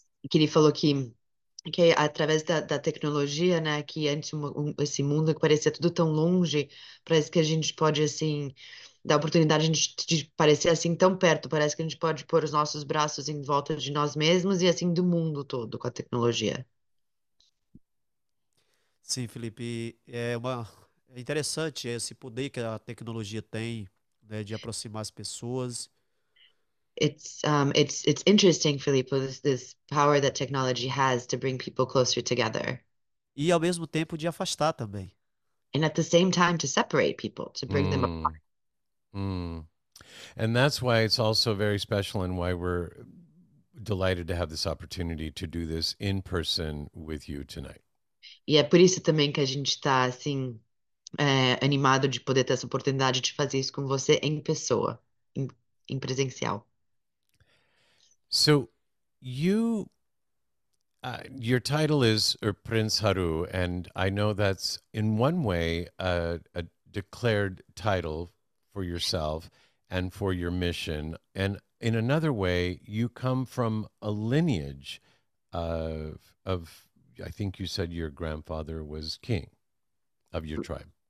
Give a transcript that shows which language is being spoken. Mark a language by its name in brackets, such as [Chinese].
[Portuguese] Que ele falou que através da tecnologia, né, que antes esse mundo que parecia tudo tão longe, parece que a gente pode assim dar oportunidade de parecer assim tão perto, parece que a gente pode pôr os nossos braços em volta de nós mesmos e assim do mundo todo com a tecnologia. Sim, Felipe, é interessante esse poder que a tecnologia tem, né, de aproximar as pessoas. [English] It's interesting, Felipe, this power that technology has to bring people closer together. [Portuguese] E ao mesmo tempo de afastar também. [English] And at the same time to separate people, to bring them apart. And that's why it's also very special and why we're delighted to have this opportunity to do this in person with you tonight. [Portuguese] E é por isso também que a gente está assim, animado de poder ter essa oportunidade de fazer isso com você em pessoa, em presencial. [English] So, your title is Prince Haru, and I know that's in one way a declared title for yourself and for your mission. And in another way, you come from a lineage of I think you said your grandfather was king of your tribe.